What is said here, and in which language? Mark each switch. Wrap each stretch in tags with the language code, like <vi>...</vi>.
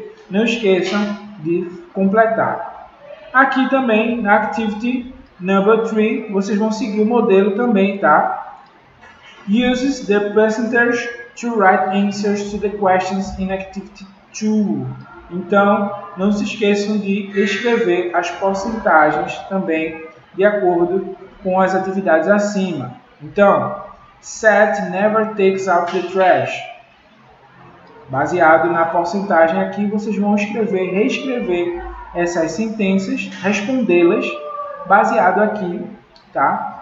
<pt>Não esqueçam de completar. Aqui também, na</pt> <en>activity number 3,</en> <pt>vocês vão seguir o modelo também, tá?</pt> <en>Uses the percentage to write answers to the questions in activity 2.</en> <pt>Então, não se esqueçam de escrever as porcentagens também de acordo com as atividades acima. Então,</pt> <en>Seth never takes out the trash.</en> <pt>Baseado na porcentagem aqui, vocês vão escrever, reescrever essas sentenças, respondê-las, baseado aqui, tá?</pt>